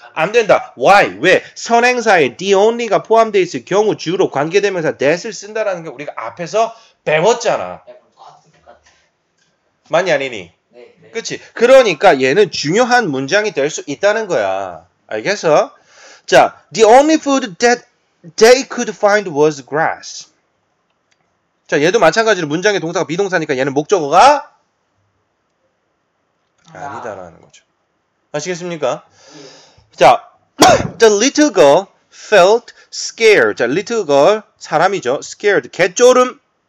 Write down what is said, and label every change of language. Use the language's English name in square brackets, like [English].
[Korean] 안 된다. Why? 왜? 선행사에 the only가 포함되어 있을 경우 주로 관계대명사 that을 쓴다라는 게 우리가 앞에서 배웠잖아. 맞니 아니니? 네, 네. 그치? 그러니까 얘는 중요한 문장이 될 수 있다는 거야. 알겠어? [English] 자, the only food that they could find was grass. [Korean] 자, 얘도 마찬가지로 문장의 동사가 비동사니까 얘는 목적어가 아니다라는 거죠. 아시겠습니까? 자, [English] the little girl felt scared. [Korean] 자, little girl, 사람이죠. scared, 개쪼름.